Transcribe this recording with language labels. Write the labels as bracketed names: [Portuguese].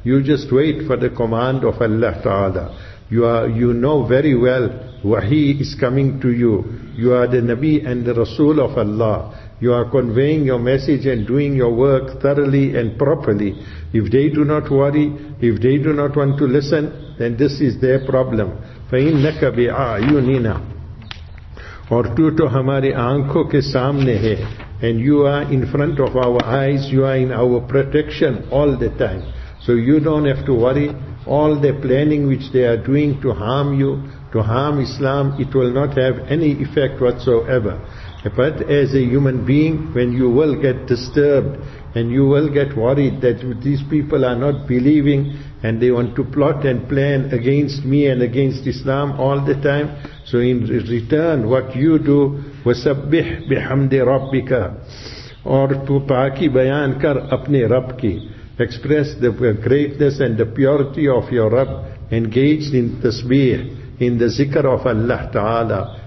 [English] You just wait for the command of Allah Ta'ala. You know very well wahi is coming to you. You are the Nabi and the Rasul of Allah. You are conveying your message and doing your work thoroughly and properly. If they do not worry, if they do not want to listen, then this is their problem. [Arabic] فَإِنَّكَ بِعَيُنِنَا [Urdu] اور تو تو ہماری آنکھوں کے سامنے ہے. [English] And you are in front of our eyes, you are in our protection all the time. So you don't have to worry. All the planning which they are doing to harm you, to harm Islam, it will not have any effect whatsoever. But as a human being, when you will get disturbed and you will get worried that these people are not believing and they want to plot and plan against me and against Islam all the time, so in return, what you do, [Arabic] wasabbih bihamdi rabbika, [English] or [Urdu] tu paaki bayan kar apne rab ki, [English] express the greatness and the purity of your Rabb, engaged in tasbih, in the zikr of Allah Ta'ala.